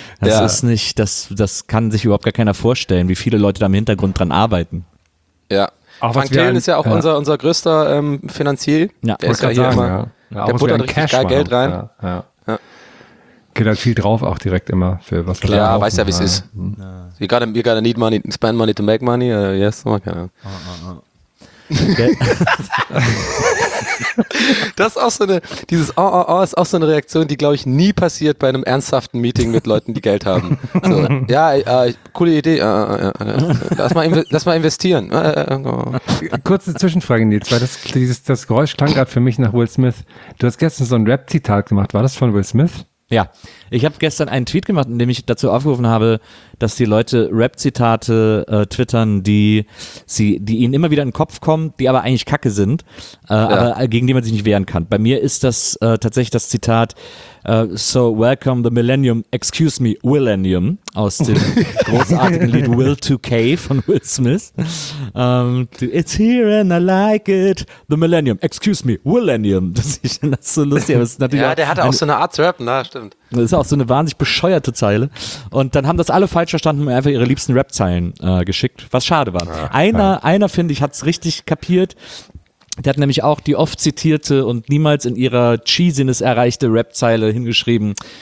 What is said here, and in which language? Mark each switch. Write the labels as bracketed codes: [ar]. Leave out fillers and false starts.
[de] Das kann sich überhaupt gar keiner vorstellen, wie viele Leute da im Hintergrund dran arbeiten. Ja, Auch Frank Thelen ist ja auch unser größter Finanzier. Ja, der ist ja hier immer. Der puttert richtig Cash geil Geld rein. Geht halt viel drauf auch direkt immer für was. Klar, ja, weiß ja, wie es ist. [en] You gotta need money, spend money to make money. [de] Yes, oh, keine Ahnung. Das ist auch so eine, dieses oh, oh, oh ist auch so eine Reaktion, die, glaube ich, nie passiert bei einem ernsthaften Meeting mit Leuten, die Geld haben. So, ja, coole Idee. Lass mal investieren. Kurze Zwischenfrage, Nils, weil das Geräusch klang gerade für mich nach Will Smith. Du hast gestern so ein Rap-Zitat gemacht. War das von Will Smith? Ja, ich habe gestern einen Tweet gemacht, in dem ich dazu aufgerufen habe, dass die Leute Rap-Zitate twittern, die ihnen immer wieder in den Kopf kommen, die aber eigentlich Kacke sind, aber gegen die man sich nicht wehren kann. Bei mir ist das tatsächlich das Zitat [en] "So welcome the millennium, excuse me, Willennium" [de] aus dem großartigen Lied Will 2K von Will Smith. [en] "It's here and I like it, the millennium, excuse me, Willennium." [de] Das ist so lustig. Aber ist natürlich ja, der hatte auch so eine Art zu rappen, na, stimmt. Das ist auch so eine wahnsinnig bescheuerte Zeile. Und dann haben das alle falsch verstanden und einfach ihre liebsten Rap-Zeilen geschickt, was schade war. Einer, finde ich, hat es richtig kapiert. Der hat nämlich auch die oft zitierte und niemals in ihrer Cheesiness erreichte Rap-Zeile hingeschrieben.